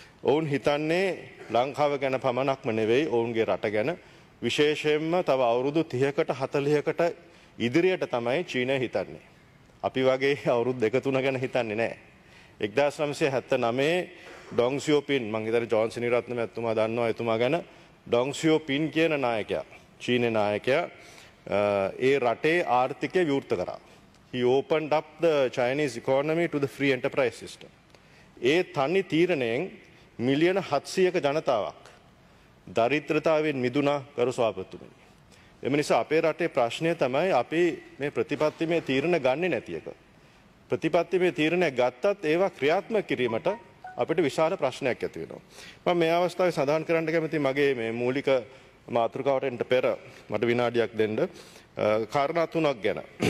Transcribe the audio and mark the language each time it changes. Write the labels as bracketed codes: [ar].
[si] ඔවුන් හිතන්නේ ලංකාව ගැන පමණක්ම නෙවෙයි ඔවුන්ගේ රට ගැන, විශේෂයෙන්ම තව අවුරුදු 30කට 40කට ඉදිරියට තමයි චීනය හිතන්නේ. අපි වගේ අවුරුදු 2-3 ගැන හිතන්නේ නැහැ. 1979 ඩොංසියෝපින් මං හිතන්නේ ජෝන් සිනිරත්න මැතිතුමා දන්නවා එතුමා ගැන, ඩොංසියෝපින් කියන නායකයා චීන නායකයා ඒ රටේ ආර්ථිකය විවෘත කරා. [en] He opened up the Chinese economy to the free enterprise system. [si] ඒ තනි තීරණයෙන් මිලියන 700ක ජනතාවක් දරිද්‍රතාවෙන් මිදුණා ගරු සභාපතිතුමනි. එම නිසා අපේ රටේ ප්‍රශ්නය තමයි අපි මේ ප්‍රතිපත්තිමය තීරණ ගන්නේ නැති එක. ප්‍රතිපත්තිමය තීරණ ගත්තත් ඒවා ක්‍රියාත්මක කිරීමට අපිට විශාල ප්‍රශ්නයක් ඇති වෙනවා. මම මේ අවස්ථාවේ සඳහන් කරන්න කැමති මගේ මේ මූලික මාතෘකාවට එන්න පෙර මට විනාඩියක් දෙන්න කාරණා තුනක් ගැන.